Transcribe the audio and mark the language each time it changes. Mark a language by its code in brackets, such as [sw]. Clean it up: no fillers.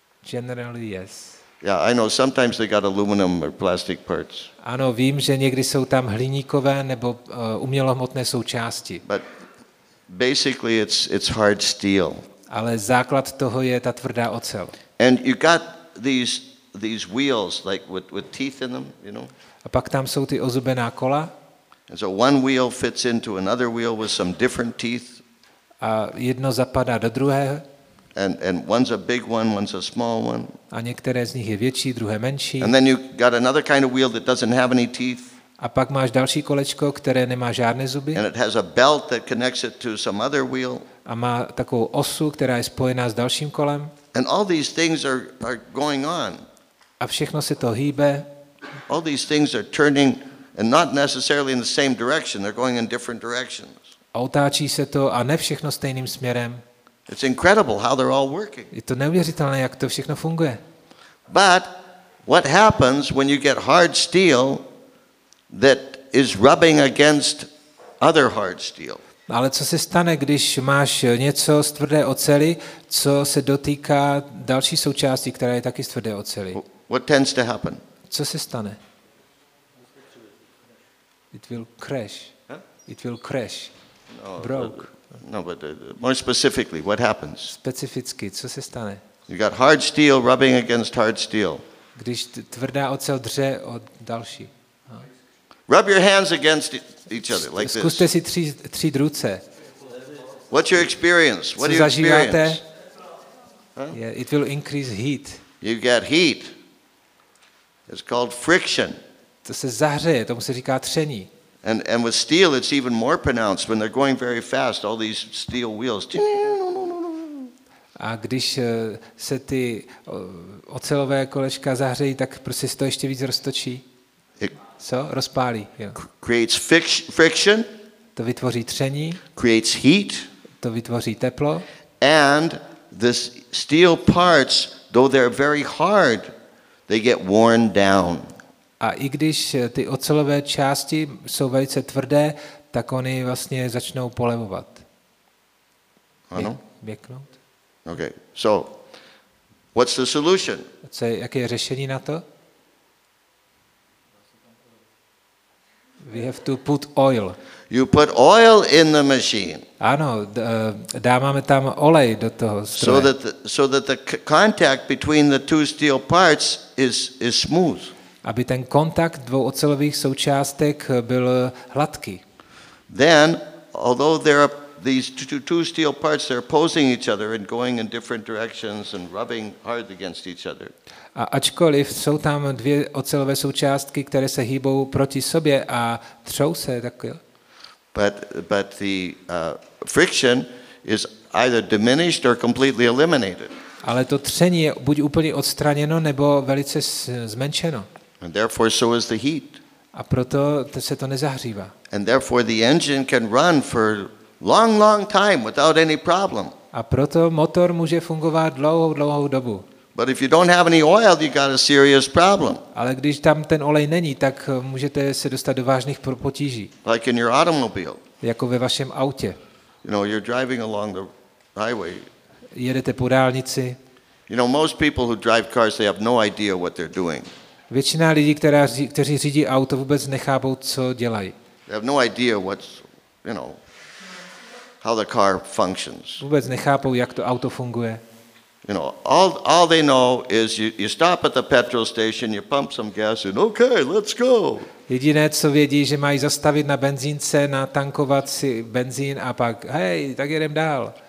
[en] Generally yes. Yeah, I know. Sometimes they got aluminum or plastic parts. [cs] Ano, vím, že někdy jsou tam hliníkové nebo umělohmotné součásti. [en] But basically, it's hard steel. [cs] Ale základ toho je ta tvrdá ocel. [en] And you got these wheels like with teeth in them, you know? [cs] A pak tam jsou ty ozubená kola. [en] And so one wheel fits into another wheel with some different teeth. [cs] A jedno zapadá do druhého. [en] And one's a big one, one's a small one. [cs] A některé z nich je větší, druhé menší. [en] And then you got another kind of wheel that doesn't have any teeth. [cs] A pak máš další kolečko, které nemá žádné zuby. [en] And it has a belt that connects it to some other wheel. [cs] A má takovou osu, která je spojená s dalším kolem. [en] And all these things are going on. [cs] A všechno se to hýbe. [en] All these things are turning and not necessarily in the same direction, they're going in different directions. [cs] A otáčí se to a ne všechno stejným směrem. [en] It's incredible how they're all working. [cs] Je to neuvěřitelné, jak to všechno funguje. [en] But what happens when you get hard steel that is rubbing against other hard steel? [cs] Ale co se stane, když máš něco z tvrdé oceli, co se dotýká další součásti, která je taky z tvrdé oceli? [en] What tends to happen? [cs] Co se stane? [en] It will crash. Huh? It will crash. No, broke. But more specifically, what happens? [cs] Specificky, co se stane? [en] You got hard steel rubbing against hard steel. [cs] Když tvrdá ocel dře o další. [en] Rub your hands against each other like this. [cs] Zkuste si třít ruce. [en] What's your experience? What do you experience? Yeah, it will increase heat. You get heat. It's called friction. [cs] To se zahřeje, tomu se říká tření. [en] And with steel it's even more pronounced when they're going very fast, all these steel wheels. [cs] A když se ty ocelové kolečka zahřejí, tak prostě se to ještě víc roztočí. Co? Rozpálí, jo. [en] Creates friction. [cs] To vytvoří tření. [en] Creates heat. [cs] To vytvoří teplo. [en] And the steel parts though they're very hard, they get worn down. [cs] A i když ty ocelové části jsou velice tvrdé, tak oni vlastně začnou polevovat. Ano? Věknout. [en] Okay. So, what's the solution? [cs] Co je, jaké je řešení na to? [en] We have to put oil. You put oil in the machine. [cs] Ano, dáváme tam olej do toho stroje. [en] So that the contact between the two steel parts is smooth. [cs] Aby ten kontakt dvou ocelových součástek byl hladký. [en] Then, although there are these two steel parts, they're opposing each other and going in different directions and rubbing hard against each other. [cs] A ačkoliv jsou tam dvě ocelové součástky, které se hýbou proti sobě a třou se takhle. [en] But the friction is either diminished or completely eliminated. [cs] Ale to tření je buď úplně odstraněno nebo velice zmenšeno. [en] And therefore so is the heat. [cs] A proto se to nezahřívá. [en] And therefore the engine can run for long, long time without any problem. [cs] A proto motor může fungovat dlouhou, dlouhou dobu. [en] But if you don't have any oil, you got a serious problem. [cs] Ale když tam ten olej není, tak můžete se dostat do vážných potíží. [en] Like in your automobile. [cs] Jako ve vašem autě. [en] You know, you're driving along the highway. [cs] Jedete po dálnici. [en] You know, most people who drive cars, they have no idea what they're doing. [cs] Většina lidí, kteří řídí auto, vůbec nechápou, co dělají. [en] They have no idea what's, you know, how the car functions. [cs] Vůbec nechápou, jak to auto funguje. [en] You know, all they know is you stop at the petrol station, you pump some gas and okay, let's go. [cs] Jediné, co vědí, že mají zastavit na benzínce, natankovat si benzín a pak hej, tak jedem dál.